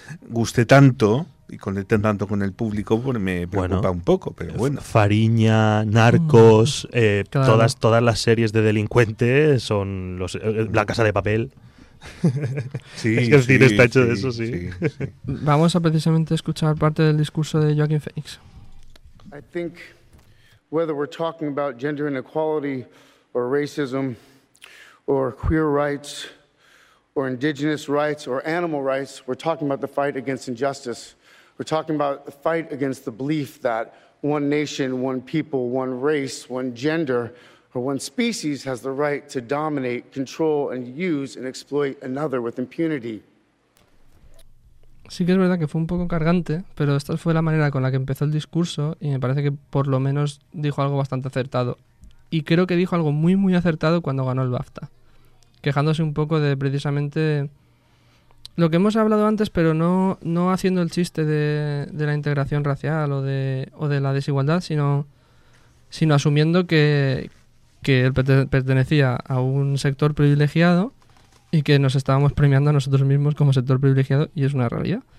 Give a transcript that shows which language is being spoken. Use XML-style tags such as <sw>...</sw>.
<es>guste tanto y conecte tanto con el público, pues me preocupa un poco, pero bueno. Fariña, Narcos, claro. todas las series de delincuentes son La Casa de Papel. Sí, es que el cine está hecho de eso. Vamos a precisamente escuchar parte del discurso de Joaquin Phoenix.</es> <en>I think whether we're talking about gender inequality or racism... or queer rights, or indigenous rights, or animal rights, we're talking about the fight against injustice. We're talking about the fight against the belief that one nation, one people, one race, one gender, or one species has the right to dominate, control, and use and exploit another with impunity.</en> <es>Sí que es verdad que fue un poco cargante, pero esta fue la manera con la que empezó el discurso y me parece que por lo menos dijo algo bastante acertado. Y creo que dijo algo muy, muy acertado cuando ganó el BAFTA, quejándose un poco de precisamente lo que hemos hablado antes, pero no haciendo el chiste de la integración racial o de la desigualdad, sino asumiendo que él pertenecía a un sector privilegiado y que nos estábamos premiando a nosotros mismos como sector privilegiado, y es una realidad.</es>